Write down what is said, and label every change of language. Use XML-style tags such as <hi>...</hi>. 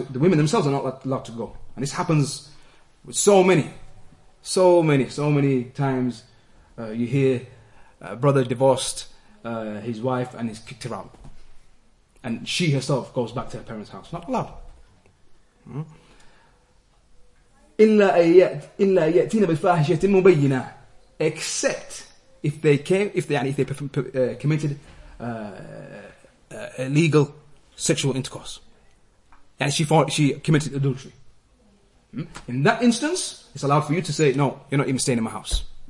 <en>The women themselves are not allowed to go. And this happens with so many times. You hear a brother divorced his wife and he's kicked her out. And she herself goes back to her parents' house. Not allowed.</en> <ar>إلا يأتينا بفاحشة مبينة.</ar> <en>Except if they came, if they committed illegal sexual intercourse, and she committed adultery. In that instance, it's allowed for you to say, "No, you're not even staying in my house.</en>